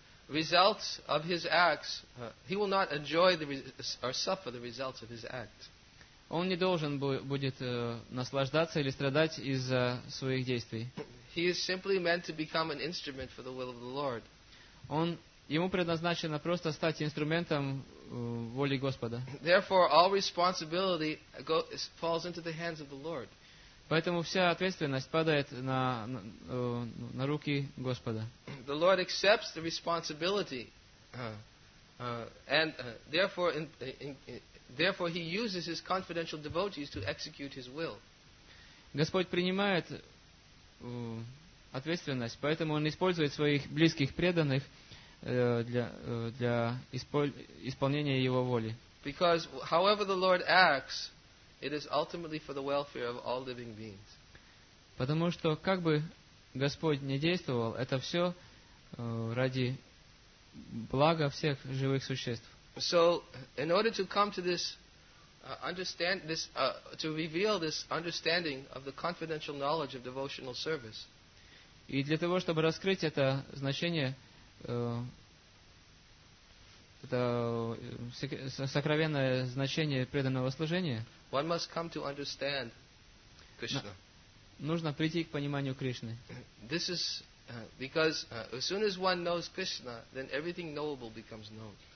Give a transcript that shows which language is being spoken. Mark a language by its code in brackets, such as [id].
[en] Results of his acts, he will not enjoy the or suffer the results of his act. [ru] Он не должен будет наслаждаться или страдать из-за своих действий. [en] He is simply meant to become an instrument for the will of the Lord. [ru] Он ему предназначено просто стать инструментом воли Господа. [en] Therefore, all responsibility falls into the hands of the Lord. [ru] Поэтому вся ответственность падает на руки Господа. [en] The Lord accepts the responsibility and therefore therefore he uses his confidential devotees to execute his will. [ru] Господь принимает ответственность, поэтому он использует своих близких преданных для исполнения его воли. [en] Because however the Lord acts, it is ultimately for the welfare of all living beings. [ru] Потому что как бы Господь ни действовал, это все ради блага всех живых существ. [en] So, in order to come to this understand this to reveal this understanding of the confidential knowledge of devotional service. [ru] И для того, чтобы раскрыть это значение это сокровенное значение преданного служения. [en] One must come to understand Krishna. [ru] Нужно прийти к пониманию Кришны. [en] This is because as soon as one knows Krishna, then everything knowable becomes known.